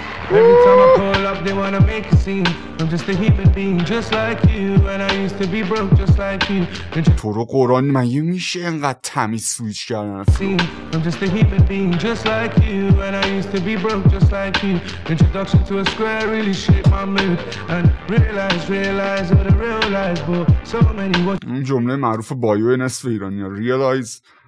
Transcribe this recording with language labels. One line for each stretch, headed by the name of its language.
English: Every time I pull up, they wanna make a scene. I'm just a human being, just like you. And I used to be broke, just like you.
Persian: تو رو قرآن مگه میشه اینقدر تمیز سویچ کردن؟
English: I'm just a human being, just like you. And I used to be broke, just like you. Introduction to a square really shaped my mood. And realize what I realize. But so many what...
Persian: این جمله معروف بایو نصف ایرانی، realize.